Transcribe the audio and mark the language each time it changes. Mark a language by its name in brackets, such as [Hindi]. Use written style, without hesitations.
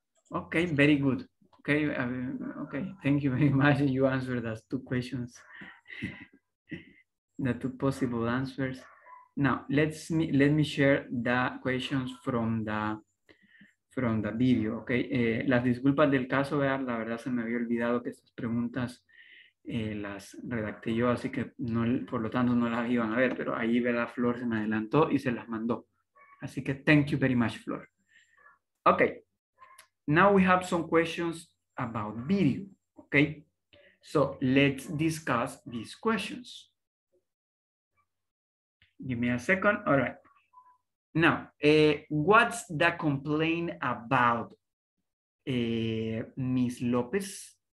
[English] Okay, very good. Okay, okay, thank you very much. You answered those two questions, the two possible answers. Now let me share the questions from the video, okay? [Spanish] Las disculpas del caso, ¿verdad? La verdad se me había olvidado que estas preguntas las redacté yo, así que no, por lo tanto no las iban a ver, pero ahí, ¿verdad? Flor se me adelantó y se las mandó, así que [English] thank you very much, [Spanish] Flor. [English] Okay, now we have some questions about video, okay? So let's discuss these questions. Give me a second. All right. Now, what's the complaint about, Ms. Lopez?